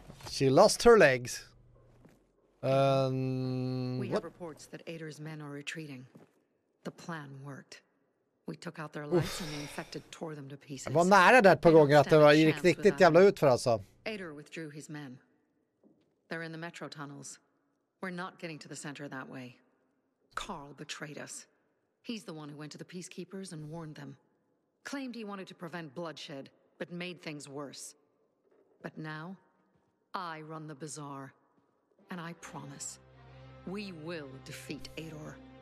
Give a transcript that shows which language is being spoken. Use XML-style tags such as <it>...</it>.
<en>She lost her legs. We have reports that Aider's men are retreating. The plan worked. We took out their lights and the infected tore them to pieces.</en> <sv>Jag var nära där ett par gånger att det var riktigt jävla ut för alltså.</sv> <en>Aider withdrew his men. They're in the metro tunnels. We're not getting to the center that way. Carl betrayed us. He's the one who went to the peacekeepers and warned them. Claimed he wanted to prevent bloodshed, but made things worse. But now, I run the bazaar. And I promise, we will defeat Aider.</en>